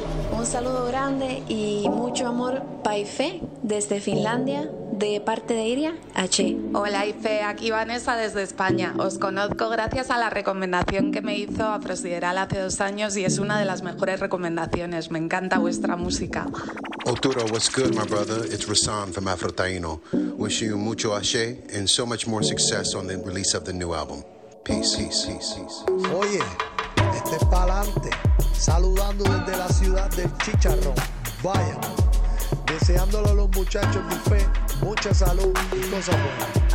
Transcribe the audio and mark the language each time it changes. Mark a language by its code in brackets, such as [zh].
[es] Un saludo grande y mucho amor para Ife desde Finlandia, de parte de Iria H. Hola Ife, aquí Vanessa desde España. Os conozco gracias a la recomendación que me hizo a Prosideral hace 2 años y es una de las mejores recomendaciones. Me encanta vuestra música. [en] Oturo, what's good, my brother? It's Rasan from Afrotaino. Wishing you mucho ache and so much more success on the release of the new album. Peace, peace, peace, peace. [es] Oye, este es pa'lante, saludando desde la ciudad del Chicharrón. Vaya, deseándolo a los muchachos de fe, mucha salud y cosas buenas.